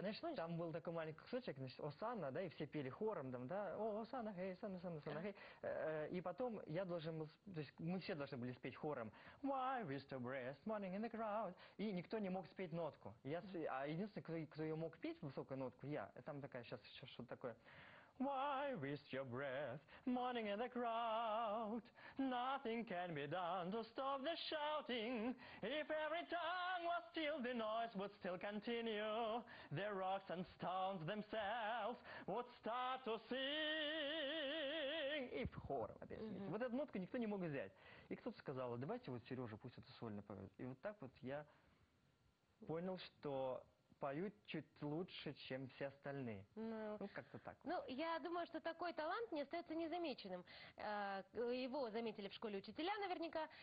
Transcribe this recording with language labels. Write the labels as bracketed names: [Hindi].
[Russian] знаешь, там был такой маленький кусочек, значит, «Осанна», да, и все пели хором, там, да, «О, Осанна, хей, Осанна, Осанна, Осанна, хей». И потом я должен был, то есть мы все должны были спеть хором [English] «My wrist of rest, morning in the crowd», [Russian] и никто не мог спеть нотку. А единственный, кто ее мог петь, высокую нотку, я, там такая, сейчас еще что-то такое. [English] Why waste your breath, morning in the crowd? Nothing can be done to stop the shouting. If every tongue was still, the noise would still continue. The rocks and stones themselves would start to sing. [Russian] И в хором, опять же. Вот эту нотку никто не мог взять. И кто-то сказал, давайте вот Сережа пусть это сольно поет. И вот так вот я понял, что... поют чуть лучше, чем все остальные. Ну, как-то так. Ну, я думаю, что такой талант не остается незамеченным. Его заметили в школе учителя наверняка.